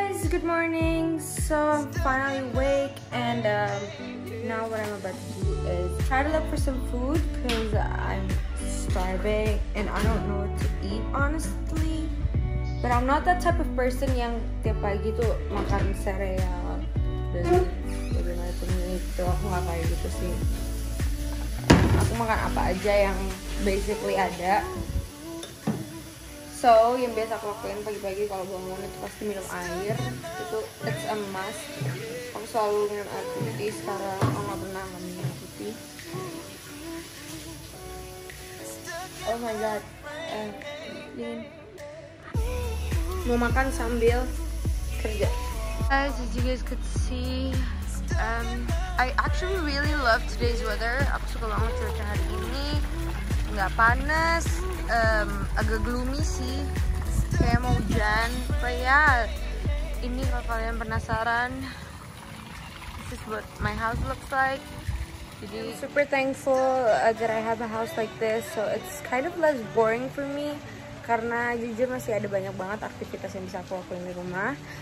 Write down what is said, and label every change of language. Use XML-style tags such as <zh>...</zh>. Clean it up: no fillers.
<en>Good morning, so I'm finally awake and now what I'm about to do is try to look for some food because I'm starving and I don't know what to eat honestly, but I'm not that type of person</en> <id>yang tiap pagi tuh makan sereal dan itu aku gak kayak gitu sih. Aku makan apa aja yang basically ada. So, yang biasa aku lakuin pagi-pagi kalau bangun itu pasti minum air. Itu</id> <en>it's a must.</en> <id>Aku selalu minum air putih, sekarang aku gak pernah gak minum air putih. Oh my god, ini mau makan sambil kerja.</id> <en>Guys, as you guys could see, I actually really love today's weather.</en> <id>Aku suka banget cuaca hari ini. Gak panas, agak gloomy sih, kayak mau hujan.</id> <en>But yeah,</en> <id>ini kalau kalian penasaran,</id> <en>this is what my house looks like. Jadi, I'm super thankful that I have a house like this, so it's kind of less boring for me.</en> <id>Karena jujur masih ada banyak banget aktivitas yang bisa aku lakuin di rumah.</id>